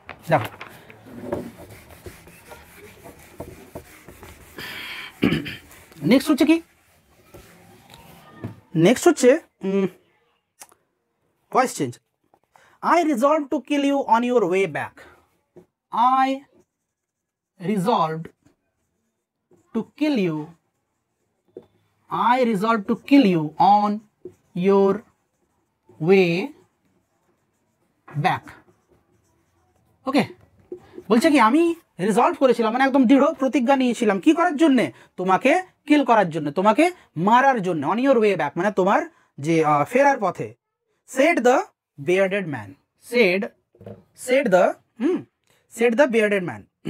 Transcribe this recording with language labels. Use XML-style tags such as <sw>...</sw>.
<bn>দেখো নেক্সট হচ্ছে কি, নেক্সট হচ্ছে voice change,</bn> <en>I resolve to kill you on your way back, I resolved to kill you. I resolved to kill you on your way back. Okay.</en> <bn>বলছে কি আমি resolve করেছিলাম, মানে একদম দৃঢ় প্রতিজ্ঞা নিয়েছিলাম কি করার জন্যে, তোমাকে কিল করার জন্যে, তোমাকে মারার জন্য,</bn> <en>on your way back</en> <bn>মানে তোমার যে ফেরার পথে,</bn> <en>said the bearded man, said said the said the bearded man</en>